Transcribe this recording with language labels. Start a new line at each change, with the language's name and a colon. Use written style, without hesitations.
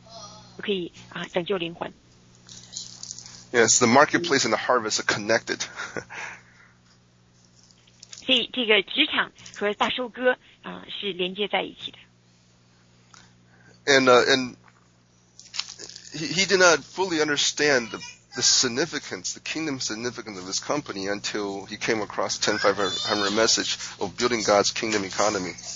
Chinese: 这里面它很深刻的意义就是这个福音跟这个灵魂的这个收割是紧紧的联系在一起当你愿意去就是得鱼也就是说你在职场的这样的一个服饰的时候你自然就可以得人也就是说就可以拯救灵魂
English: Yes, the marketplace and the harvest are connected.
Chinese: 这个职场和大收割是连接在一起的。
English: And he did not fully understand the significance, the kingdom significance of this company until he came across the 10500 message of building God's kingdom economy.